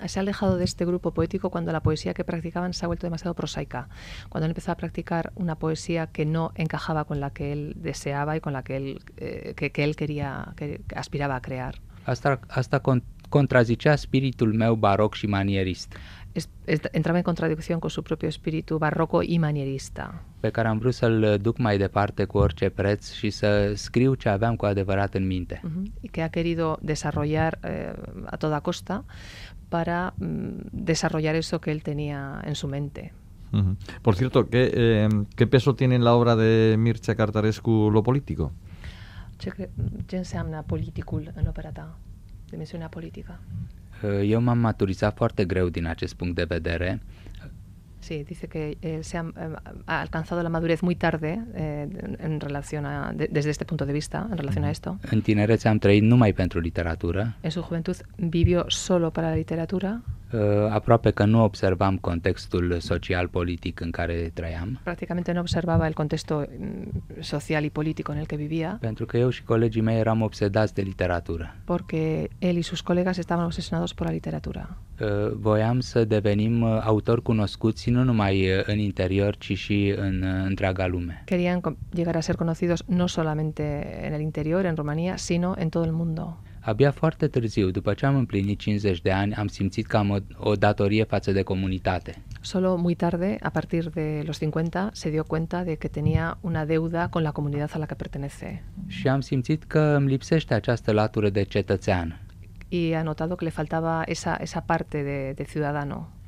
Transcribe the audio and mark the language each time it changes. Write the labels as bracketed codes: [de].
[es] Se ha alejado de este grupo poético cuando la poesía que practicaban se ha vuelto demasiado prosaica. Cuando él empezó a practicar una poesía que no encajaba con la que él deseaba y con la que él que él quería, que aspiraba a crear. [ro] Hasta contrazicea spiritul meu baroc și manierist. [es] Entraba en contradicción con su propio espíritu barroco y manierista. [ro] Pe care am vrut să-l duc mai departe cu orice preț și să scriu ce aveam cu adevărat în minte. [es] Y que ha querido desarrollar a toda costa para desarrollar eso que él tenía en su mente. Uh-huh. Por cierto, ¿qué peso tiene en la obra de Mircea Cărtărescu lo político? [ro] Ce înseamnă politicul în opera ta? Dimensiunea politică? Eu m-am maturizat foarte greu din acest punct de vedere. [es] Sí, dice que se ha alcanzado la madurez muy tarde en relación a desde este punto de vista, en relación a esto. [ro] În tinerețe am trăit numai pentru literatură. [es] En su juventud vivió solo para la literatura. [ro] aproape că nu observam contextul social-politic în care trăiam. [es] Practicamente nu observava el contextul social y político en el que vivía. [ro] Pentru că eu și colegii mei eram obsedați de literatură. [es] Porque él y sus colegas estaban obsesionados por la literatura. [ro] Voiam să devenim autori cunoscuți nu numai în interior, ci și în întreaga lume. [es] Querían llegar a ser conocidos no solamente en el interior, en Rumanía, sino en todo el mundo. [ro] Abia foarte târziu, după ce am împlinit 50 de ani, am simțit că am o datorie față de comunitate. [es] Solo muy tarde, a partir de los 50, se dio cuenta de que tenía una deuda con la comunidad a la que pertenece. [ro] Și am simțit că îmi lipsește această latură de cetățean. [es] Y ha notado que le faltaba esa parte de ciudadano.